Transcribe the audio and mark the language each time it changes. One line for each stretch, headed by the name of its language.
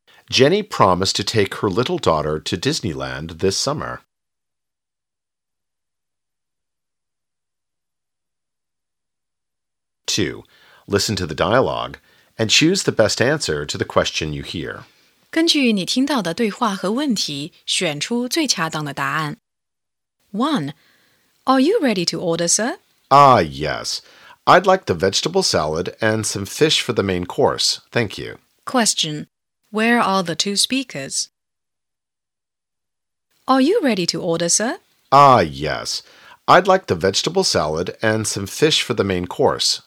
English: Jenny promised to take her little daughter to Disneyland this summer. 2. Listen to the dialogue and choose the best answer to the question you hear.
Chinese: 根据你听到的对话和问题选出最恰当的答案。
English: 1. Are you ready to order, sir? Ah, yes. I'd like the vegetable salad and some fish for the main course. Thank you. Question. Where are the two speakers? Are you ready to order, sir? Ah, yes. I'd like the vegetable salad and some fish for the main course.